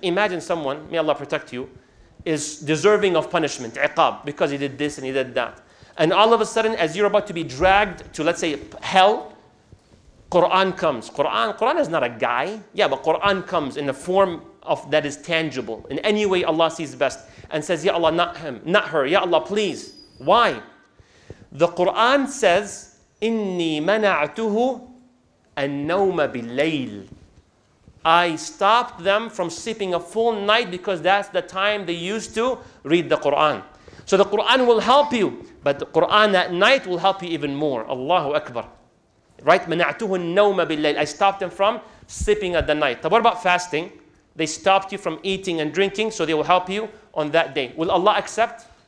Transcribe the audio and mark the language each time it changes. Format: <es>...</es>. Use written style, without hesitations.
<en>Imagine someone, may Allah protect you, is deserving of punishment, عقاب, because he did this and he did that. And all of a sudden, as you're about to be dragged to, let's say, hell, Quran comes. Quran is not a guy. Yeah, but Quran comes in a form of that is tangible. In any way Allah sees best. And says, Ya Allah, not him, not her. Ya Allah, please. Why?</en> <ar>The Quran says, إِنِّي مَنَعْتُهُ النَّوْمَ بِاللَّيْلِ.</ar> <en>I stopped them from sleeping a full night because that's the time they used to read the Quran. So the Quran will help you, but the Quran at night will help you even more.</en> <ar>Allahu Akbar. Right? مَنَعْتُهُ النَّوْمَ بِاللَّيْلِ.</ar> <en>I stopped them from sleeping at the night. But what about fasting? They stopped you from eating and drinking, so they will help you on that day. Will Allah accept?</en>